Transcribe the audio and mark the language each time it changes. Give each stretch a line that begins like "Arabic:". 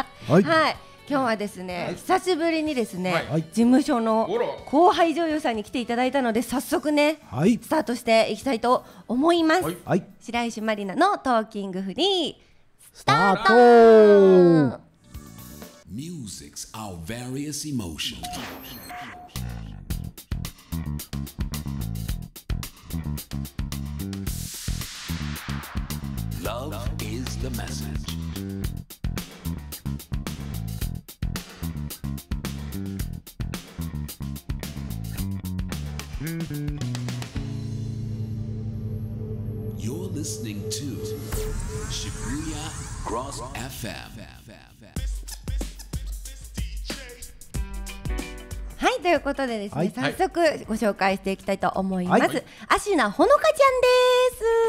Japanese: はい、はい、今日はですね、久しぶりにですね、はい、事務所の後輩女優さんに来ていただいたので、早速ね、はい、スタートしていきたいと思います。はい、白石麻里奈のトーキングフリースタート。
English: Music's our various emotions. Love is the message. You're listening to Shibuya Cross FM.
Japanese: はい、ということでですね、はい、早速ご紹介していきたいと思います。芦名、はい、ほのかちゃんです。